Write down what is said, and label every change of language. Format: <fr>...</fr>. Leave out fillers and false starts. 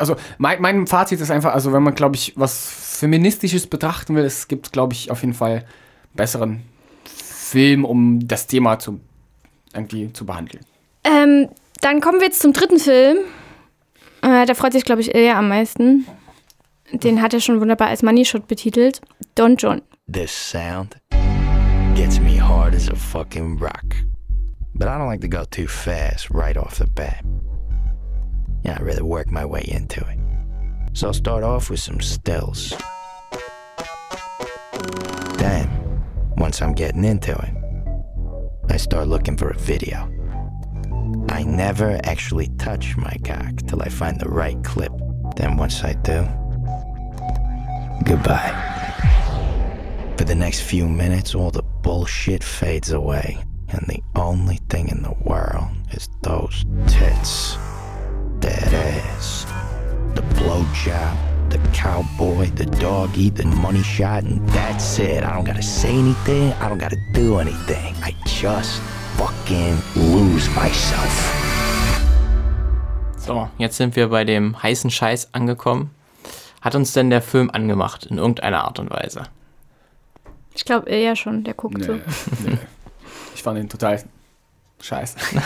<de>Also mein Fazit ist einfach, also wenn man, glaube ich, was Feministisches betrachten will, es gibt, glaube ich, auf jeden Fall besseren Film, um das Thema irgendwie zu behandeln. Dann kommen wir jetzt zum dritten Film. Da freut sich, glaube ich, Ilja am meisten. Den hat er schon wunderbar als Money Shot betitelt. Don John.</de> <en>This sound gets me hard as a fucking rock. But I don't like to go too fast right off the bat. Yeah, I'd rather work my way into it. So I'll start off with some stills. Then, once I'm getting into it, I start looking for a video. I never actually touch my cock till I find the right clip. Then once I do, goodbye. For the next few minutes, all the bullshit fades away, and the only thing in the world is those tits. That ass. The blowjob, the cowboy, the doggy, the money shot, and that's it. I don't gotta say anything, I don't gotta do anything. I just... fucking lose myself.</en> <de>So, jetzt sind wir bei dem heißen Scheiß angekommen. Hat uns denn der Film angemacht in irgendeiner Art und Weise? Ich glaube, er ja schon, der guckt so. Ich fand ihn total scheiße.</de>